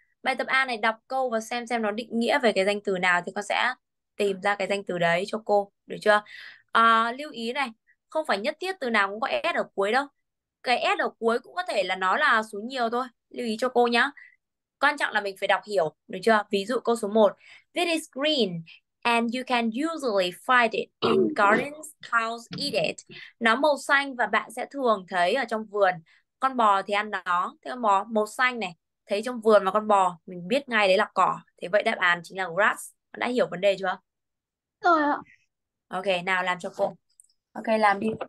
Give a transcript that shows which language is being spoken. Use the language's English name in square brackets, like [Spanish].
[Vietnamese] Bài tập A này đọc câu và xem nó định nghĩa về cái danh từ nào thì con sẽ tìm ra cái danh từ đấy cho cô, được chưa? Lưu ý này, không phải nhất thiết từ nào cũng có s ở cuối đâu. Cái s ở cuối cũng có thể là nó là số nhiều thôi. Lưu ý cho cô nhá. Quan trọng là mình phải đọc hiểu, được chưa? Ví dụ câu số 1. [English] This is green and you can usually find it in gardens, cows eat it. [Vietnamese] Nó màu xanh và bạn sẽ thường thấy ở trong vườn. Con bò thì ăn nó. Thế con bò màu xanh này, thấy trong vườn mà con bò, mình biết ngay đấy là cỏ. Thế vậy đáp án chính là grass. Đã hiểu vấn đề chưa? Ok, nào làm cho cô. Ok, làm đi.